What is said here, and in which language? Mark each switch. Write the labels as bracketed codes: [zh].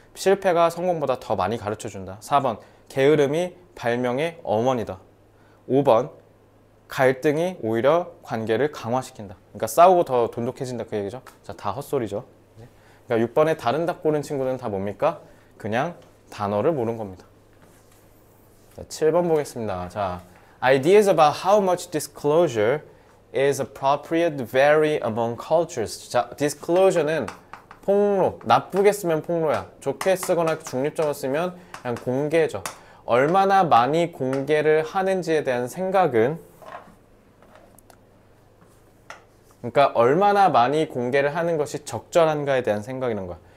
[ko] 실패가 성공보다 더 많이 가르쳐준다. 4번. 게으름이 발명의 어머니다. 5번. 갈등이 오히려 관계를 강화시킨다. 그러니까 싸우고 더 돈독해진다. 그 얘기죠. 자, 다 헛소리죠. 그러니까 6번에 다른 답 고른 친구들은 다 뭡니까? 그냥 단어를 모른 겁니다. 자, 7번 보겠습니다. [en] 자, ideas about how much disclosure is appropriate vary among cultures. [ko] 자, disclosure는 폭로. 나쁘게 쓰면 폭로야. 좋게 쓰거나 중립적으로 쓰면 그냥 공개죠. 얼마나 많이 공개를 하는지에 대한 생각은, 그러니까 얼마나 많이 공개를 하는 것이 적절한가에 대한 생각이란 거야.